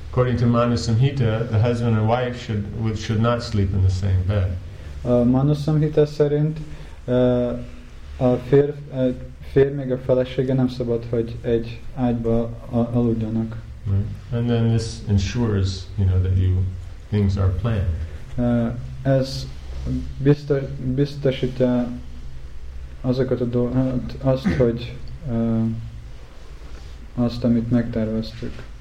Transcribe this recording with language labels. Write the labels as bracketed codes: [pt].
[en] According to Manusamhita, the husband and wife should not sleep in the same bed. [hu] Manusamhita szerint a fér meg a felesége nem szabad, hogy egy ágyba aludjanak. [en] Right. And then this ensures, you know, that you things are planned. [hu] Ez biztosítja azokat a dolgokat, azt, hogy azt, amit megterveztük.